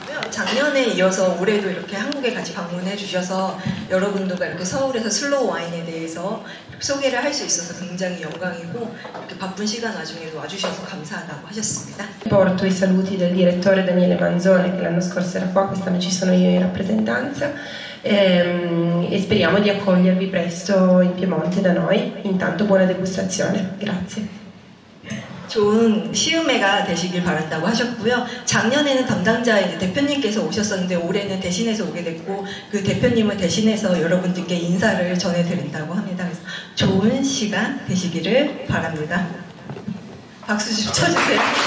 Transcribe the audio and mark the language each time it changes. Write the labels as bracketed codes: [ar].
[ko] 작년에 이어서 올해도 이렇게 한국에 같이 방문해 주셔서 여러분들과 이렇게 서울에서 슬로우 와인에 대해서 소개를 할 수 있어서 굉장히 영광이고 이렇게 바쁜 시간 와중에도 와주셔서 감사하다고 하셨습니다. [it] Porto i saluti del direttore Daniele Manzone che l'anno scorso era qua, quest'anno ci sono io in rappresentanza. E speriamo di accogliervi presto in Piemonte da noi. Intanto buona degustazione. Grazie. [ko] 좋은 시음회가 되시길 바란다고 하셨고요. 작년에는 담당자 대표님께서 오셨었는데 올해는 대신해서 오게 됐고 그 대표님을 대신해서 여러분들께 인사를 전해드린다고 합니다. 그래서 좋은 시간 되시기를 바랍니다. 박수 좀 쳐주세요.